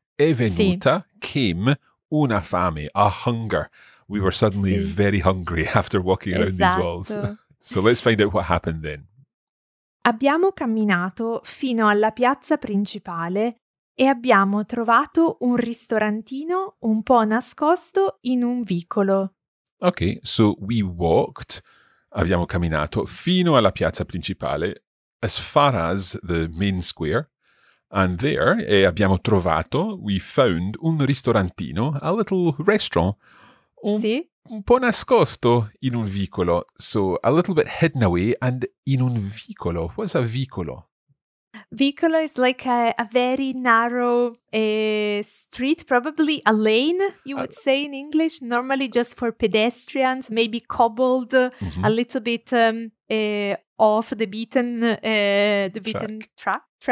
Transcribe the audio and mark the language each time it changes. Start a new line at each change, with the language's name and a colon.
Italian: È venuta, came, una fame, a hunger.
English: We were suddenly very hungry after walking around these walls. So let's find out what happened then.
Italian: Abbiamo camminato fino alla piazza principale e abbiamo trovato un ristorantino un po' nascosto in un vicolo.
English: Okay, so we walked,
Italian: abbiamo camminato fino alla piazza principale,
English: as far as the main square. And there,
Italian: abbiamo trovato,
English: we found, un ristorantino, a little restaurant,
Italian: un po' nascosto in un vicolo.
English: So, a little bit hidden away, and in un vicolo. What's a vicolo? Vicolo is like a very narrow street, probably a lane, you would say in English, normally just for pedestrians, maybe cobbled, mm-hmm. a little bit off the beaten track.